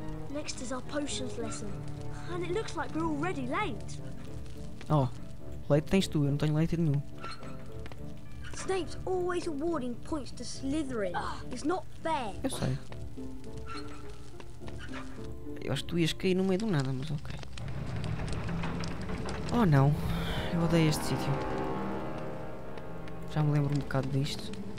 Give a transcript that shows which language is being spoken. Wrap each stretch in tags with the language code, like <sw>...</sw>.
<en>Next is our potions lesson. And it looks like we're already late.</en> <pt>Oh, leite tens tu, eu não tenho leite nenhum.</pt> <en>Snape's always awarding points to Slytherin. It's not fair.</en> <pt>Eu sei. Eu acho que tu ias cair no meio do nada, mas ok. Oh não, eu odeio este sítio. Já me lembro um bocado disto.</pt>